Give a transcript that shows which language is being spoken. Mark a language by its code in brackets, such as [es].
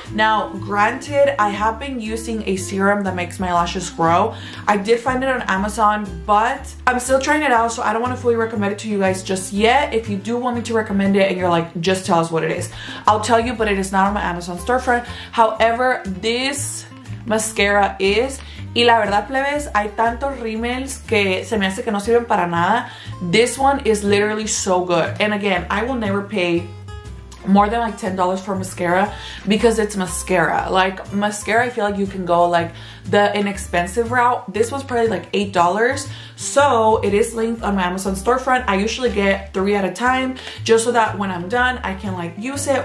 [en] Now, granted, I have been using a serum that makes my lashes grow. I did find it on Amazon, but I'm still trying it out, so I don't want to fully recommend it to you guys just yet. If you do want me to recommend it and you're like, just tell us what it is, I'll tell you, but it is not on my Amazon storefront. However, this mascara is. [es] Y la verdad, plebes, hay tantos rímels que se me hace que no sirven para nada. [en] This one is literally so good. And again, I will never pay more than like $10 for mascara because it's mascara. Like, mascara, I feel like you can go like the inexpensive route. This was probably like $8. So it is linked on my Amazon storefront. I usually get 3 at a time just so that when I'm done, I can like use it.